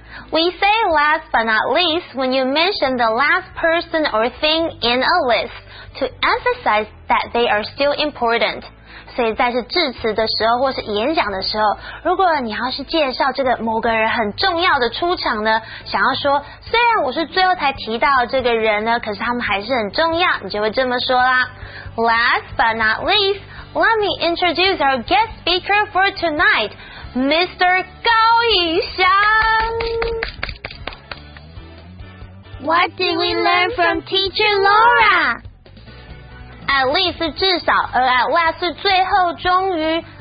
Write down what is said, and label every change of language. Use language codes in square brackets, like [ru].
[en] We say last but not least when you mention the last person or thing in a list to emphasize that they are still important. [zh] 所以在是致辞的时候或是演讲的时候，如果你要是介绍这个某个人很重要的出场呢，想要说虽然我是最后才提到这个人呢，可是他们还是很重要，你就会这么说啦。 [en] Last but not least, let me introduce our guest speaker for tonight, Mr. [zh] 高以翔。 [en] What did we learn from teacher Laura? [zh] At least 是至少，而 at last 是最后终于。